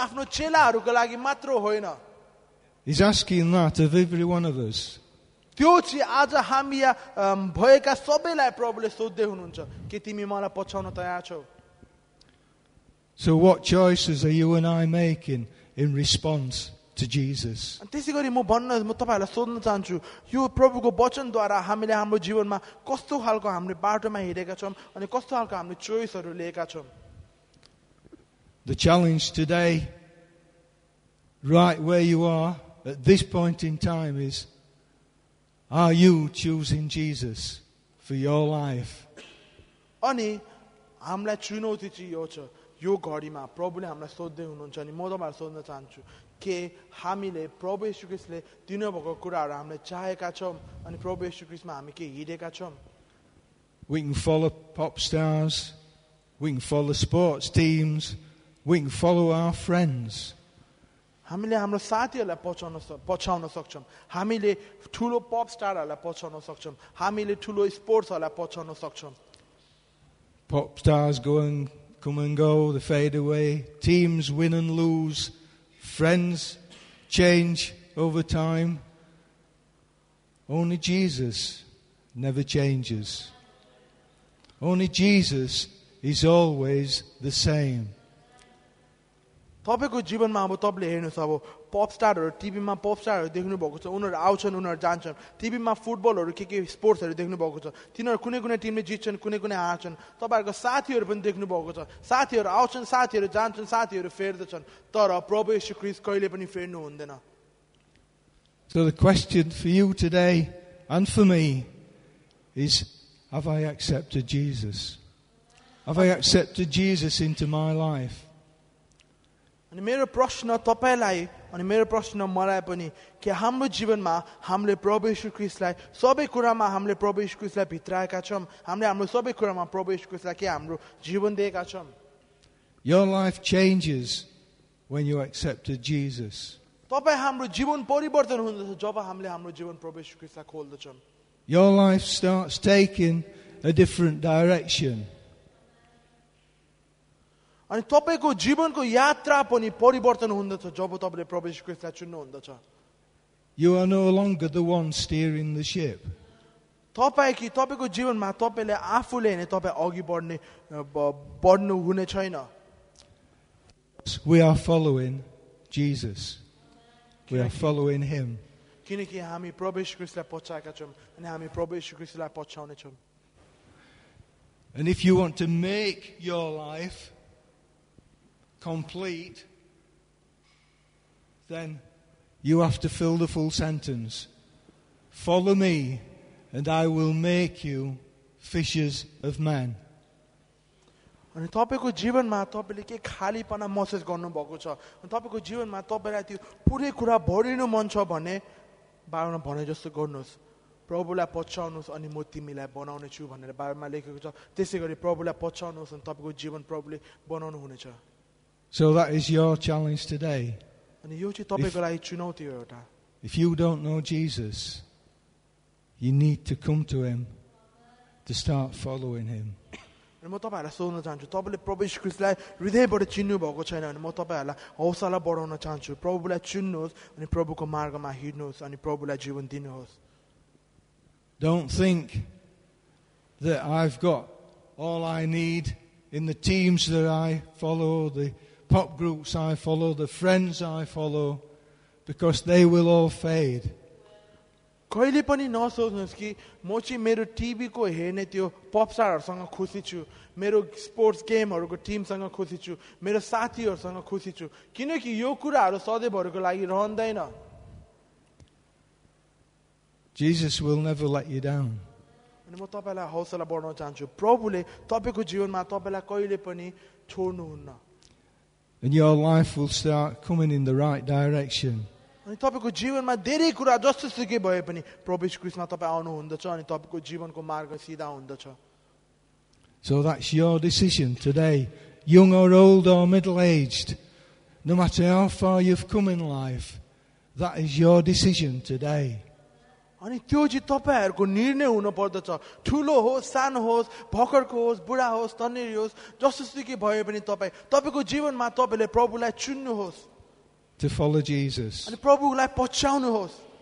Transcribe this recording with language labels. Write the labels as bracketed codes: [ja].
[en] He's asking that of every one of us. [ne] त्यो चाहिँ आज हामी भएका सबैलाई प्रभुले सोध्दै हुनुहुन्छ कि तिमी मलाई पछ्याउन तयार छौ [en] So what choices are you and I making in response to Jesus? [ne] त्यसै गरी म तपाईँहरूलाई सोध्न चाहन्छु यो प्रभुको वचनद्वारा हामीले हाम्रो जीवनमा कस्तो खालको हामीले बाटोमा हिँडेका छौँ अनि कस्तो खालको हामीले चोइसहरू लिएका छौँ [en] The challenge today, right where you are, at this point in time is, are you choosing Jesus for your life? [ne] अनि हामीलाई चुनौती चाहिँ यो छ यो घडीमा प्रभुले हामीलाई सोध्दै हुनुहुन्छ अनि म तपाईँहरू सोध्न चाहन्छु के हामीले प्रभु यीशु ख्रीष्टले दिनुभएको कुराहरू हामीले चाहेका छौँ अनि प्रभु यीशु ख्रीष्टमा हामी के हिँडेका छौँ [en] We can follow pop stars, we can follow sports teams, we can follow our friends. [ne] हामीले हाम्रो साथीहरूलाई पछ्याउन सक्छौँ हामीले ठुलो पप स्टारहरूलाई पछ्याउन सक्छौँ हामीले ठुलो स्पोर्ट्सहरूलाई पछ्याउन सक्छौँ [en] pop stars go and come and go, they fade away, teams win and lose, friends change over time. Only Jesus never changes. Only Jesus is always the same. [ne] तपाईको जीवनमा अब तपाईले हेर्नुहोस् अब पप स्टारहरू टिभीमा पप स्टारहरू देख्नु भएको छ, उनीहरू आउँछन् उनीहरू जान्छन्, टिभीमा फुटबलहरू के स्पोर्ट्सहरू देख्नु भएको छ, तिनीहरू कुनै कुनै टिमले जित्छन् कुनै कुनै हार्छन्, तपाईँहरूको साथीहरू पनि देख्नु भएको छ, साथीहरू आउँछन् साथीहरू जान्छन् साथीहरू फेर्दछन्, तर प्रभु येशु ख्रीष्ट कहिले पनि फेर्नु हुँदैन. [en] So the question for you today and for me is, have I accepted Jesus? Have I accepted Jesus into my life? [ne] अनि मेरो प्रश्न तपाईँलाई अनि मेरो प्रश्न मलाई पनि कि हाम्रो जीवनमा हामीले प्रभु येशू ख्रीष्टलाई सबै कुरामा हामीले प्रभु येशू ख्रीष्टलाई भित्राएका छौँ, हामीले हाम्रो सबै कुरामा प्रभु येशू ख्रीष्टलाई के हाम्रो जीवन दिएका छौँ. [en] Your life changes when you accept Jesus. [ne] तपाईँ हाम्रो जीवन परिवर्तन हुँदछ जब हामीले हाम्रो जीवन प्रभु येशू ख्रीष्टलाई खोल्दछौँ. [en] Your life starts taking a different direction. [ne] अनि तपाईँको जीवनको यात्रा पनि परिवर्तन हुँदछ जब तपाईँले प्रभु येशू ख्रीष्टलाई चुन्नुहुन्छ. [en] You are no longer the one steering the ship. [ne] तपाईँ कि तपाईँको जीवनमा तपाईँले आफूले नै तपाईँ अघि बढ्ने बढ्नु हुने छैन. [en] We are following Jesus. We are following him. [ne] किनकि हामी प्रभु येशू ख्रीष्टलाई पछ्याएका छौँ अनि हामी प्रभु येशू ख्रीष्टलाई पछ्याउने छौँ. [en] And if you want to make your life complete, then you have to fill the full sentence. Follow me and I will make you fishers of men. [ne] अनि तपाईँको जीवनमा तपाईँले के खालीपना महसुस गर्नुभएको छ, तपाईँको जीवनमा तपाईँलाई त्यो पुरै कुरा भरिनु मन छ भने बाबामा भने जस्तो गर्नुहोस्, प्रभुलाई पछ्याउनुहोस् अनि म तिमीलाई बनाउने छु भनेर बाबामा लेखेको छ, त्यसै गरी प्रभुलाई पछ्याउनुहोस् अनि तपाईँको जीवन प्रभुले बनाउनु हुनेछ. [en] So that is your challenge today. [ne] अनि यो चाहिँ तपाईको लागि चुनौती हो एउटा. [en] If you don't know Jesus, you need to come to him to start following him. [ne] अनि म तपाईहरुलाई सोध्न चाहन्छु, तपाईले प्रभु येशू ख्रीष्टलाई हृदयबाट चिन्नु भएको छैन अनि म तपाईहरुलाई हौसला बढाउन चाहन्छु, प्रभुलाई चुन्नुहोस् अनि प्रभुको मार्गमा हिड्नुहोस् अनि प्रभुलाई जीवन दिनुहोस्. [en] Don't think that I've got all I need in the teams that I follow, the pop groups I follow, the friends I follow, because they will all fade. [ne] कहिले पनि नसोच्नुहोस् कि म चाहिँ मेरो टिभीको हेर्ने त्यो पप स्टारहरूसँग खुसी छु, मेरो स्पोर्ट्स गेमहरूको टिमसँग खुसी छु, मेरो साथीहरूसँग खुसी छु, किनकि यो कुराहरू सधैँभरिको लागि रहँदैन. [en] Jesus will never let you down. [ne] अनि म तपाईँलाई हौसला बढाउन चाहन्छु, प्रभुले तपाईँको जीवनमा तपाईँलाई कहिले पनि छोड्नुहुन्न. [en] And your life will start coming in the right direction. [ne] अनि तपाईको जीवनमा धेरै कुरा जस्तो सुकै भए पनि प्रभु येशू ख्रीष्ट तपाई आउनु हुँदछ अनि तपाईको जीवनको मार्ग सिधा हुँदछ. [en] So that's your decision today. Young or old or middle aged, no matter how far you've come in life, that is your decision today. [ne] अनि त्यो चाहिँ तपाईँहरूको निर्णय हुन पर्दछ, ठुलो होस् सानो होस् भर्खरको होस् बुढा होस् तन्नेरी होस् जसोसुकै भए पनि तपाईँ तपाईँको जीवनमा तपाईँले प्रभुलाई चुन्नुहोस् [en] to follow Jesus. [ne] अनि प्रभुलाई पछ्याउनुहोस्.